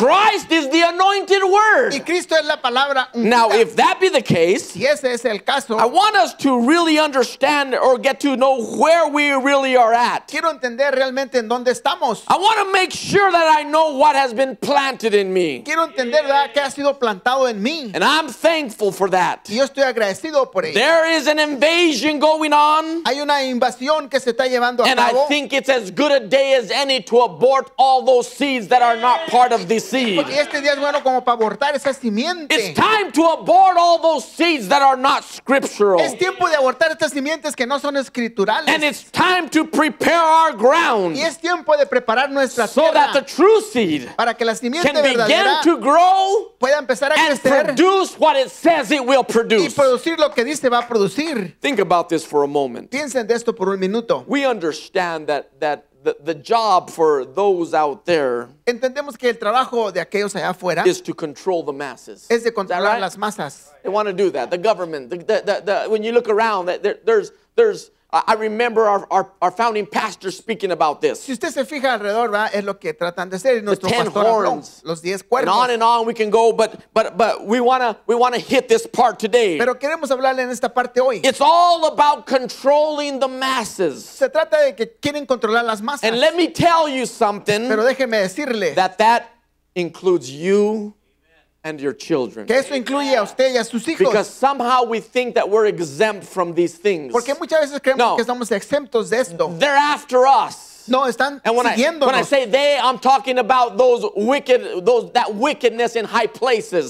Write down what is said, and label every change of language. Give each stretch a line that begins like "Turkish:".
English: And Christ is the anointed word.
Spanish: Y Cristo es la palabra ungida.
English: Now, if that be the case,
Spanish: si ese es el caso,
English: I want us to really understand or get to know where we really are at.
Spanish: Quiero entender realmente en dónde estamos.
English: I want to make sure that I know what has been planted in me.
Spanish: Quiero entender qué ha sido plantado en mí.
English: And I'm thankful for that.
Spanish: Y yo estoy agradecido por ello.
English: There is an invasion going on.
Spanish: Hay una invasión que se está llevando a
English: and
Spanish: cabo.
English: And I think it's as good a day as any to abort all those seeds that are not part of the seed.
Spanish: Este día es bueno como para abortar esa simiente.
English: It's time to abort all those seeds that are not scriptural.
Spanish: Es tiempo de abortar estas simientes que no son escriturales.
English: And it's time to prepare our ground.
Spanish: Y es tiempo de preparar nuestra
English: so
Spanish: tierra
English: that the true seed
Spanish: para que la simiente
English: can
Spanish: verdadera
English: begin to grow
Spanish: pueda empezar a
English: and
Spanish: crecer
English: produce what it says it will produce.
Spanish: Y producir lo que dice va a producir.
English: Think about this for a moment.
Spanish: Piensen de esto por un minuto.
English: We understand that the job for those out there
Spanish: entendemos que el trabajo de aquellos allá afuera
English: is to control the masses.
Spanish: Es de controlar right? las masas.
English: They want to do that. The government. The when you look around, there's I remember our founding pastor speaking about this.
Spanish: Si usted se fija alrededor, ¿verdad? Es lo que tratan de hacer.
English: The ten horns.
Spanish: Los diez cuernos.
English: And on and on we can go, but we wanna hit this part today.
Spanish: Pero queremos hablarle en esta parte hoy.
English: It's all about controlling the masses.
Spanish: Se trata de que quieren controlar las masas.
English: And let me tell you something.
Spanish: Pero déjeme decirle.
English: That includes you. And your children.
Spanish: Que eso incluye a usted y a sus hijos.
English: Because somehow we think that we're exempt from these things.
Spanish: Porque muchas veces creemos no. que estamos exentos de esto.
English: They're after us.
Spanish: No, están
English: and when I say they, I'm talking about that wickedness in high places.